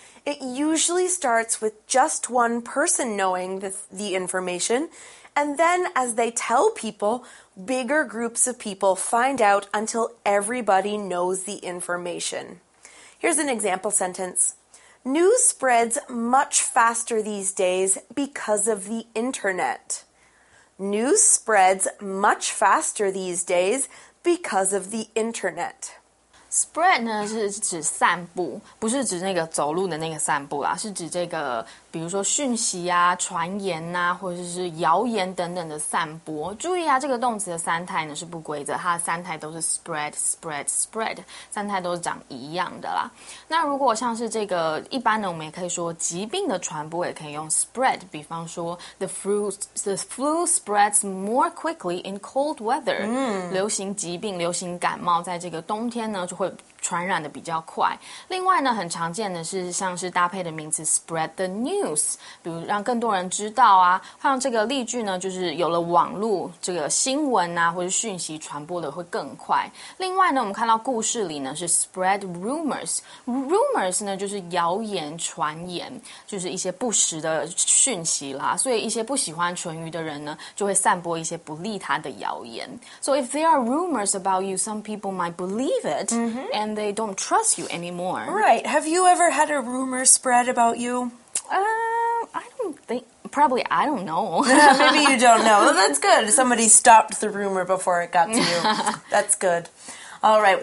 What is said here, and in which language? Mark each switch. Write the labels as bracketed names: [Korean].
[English] It usually starts with just one person knowing the information, and then as they tell people, bigger groups of people find out until everybody knows the information. Here's an example sentence. News spreads much faster these days because of the internet. News spreads much faster these days because of the internet. [Chinese] Spread 呢是指散步，不是指那个走路的那个散步啦，是指这个比如说讯息啊、传言啊，或者是谣言等等的散播。注意啊，这个动词的三态呢是不规则，它的三态都是 spread, spread, spread, 三态都是长一样的啦。那如果像是这个一般呢，我们也可以说疾病的传播也可以用 spread， 比方说 [English] the flu spreads more quickly in cold weather， [Chinese] 流行疾病、流行感冒在这个冬天呢就会传染的比较快。另外呢，很常见的是像是搭配的名词 [English] spread the news， [Chinese] 比如让更多人知道啊。像这个例句呢，就是有了网络，这个新闻啊或者讯息传播的会更快。另外呢，我们看到故事里呢是 [English] spread rumors [Chinese] 呢就是谣言、传言，就是一些不实的讯息啦。所以一些不喜欢淳于的人呢，就会散播一些不利他的谣言。 [English] So if there are rumors about you, some people might believe it and they don't trust you anymore. Right. Have you ever had a rumor spread about you? I don't think... Probably, I don't know. Maybe you don't know. Well, that's good. Somebody stopped the rumor before it got to you. That's good. All right.